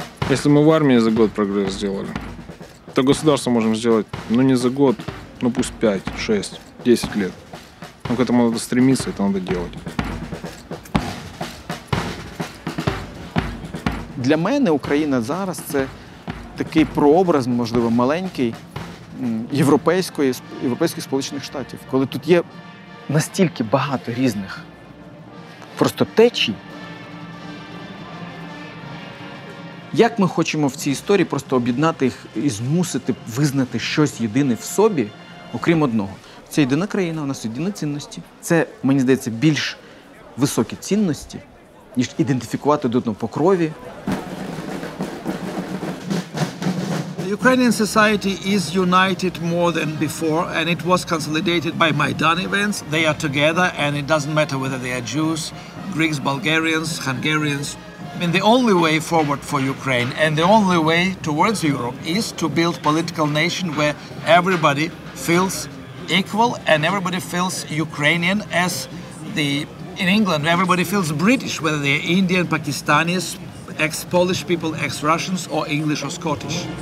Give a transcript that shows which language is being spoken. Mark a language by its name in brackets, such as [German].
[Russian] Если мы в армии за год прогресс сделали, то государство можем сделать, ну, не за год, ну, пусть 5, 6, 10 лет. Но к этому надо стремиться, это надо делать. [Ukrainian] Для мене Україна зараз – це такий прообраз, можливо, маленький, європейських Сполучених Штатів. Коли тут є настільки багато різних просто течій, як ми хочемо в цій історії просто об'єднати їх і змусити визнати щось єдине в собі, окрім одного? Це єдина країна, у нас єдині цінності. Це, мені здається, більш високі цінності, ніж ідентифікувати до одного по крові. [English] The Ukrainian society is united more than before, and it was consolidated by Maidan events. They are together, and it doesn't matter whether they are Jews, Greeks, Bulgarians, Hungarians. I mean, the only way forward for Ukraine and the only way towards Europe is to build political nation where everybody feels equal and everybody feels Ukrainian as the in England, everybody feels British, whether they're Indian, Pakistanis, ex-Polish people, ex-Russians or English or Scottish.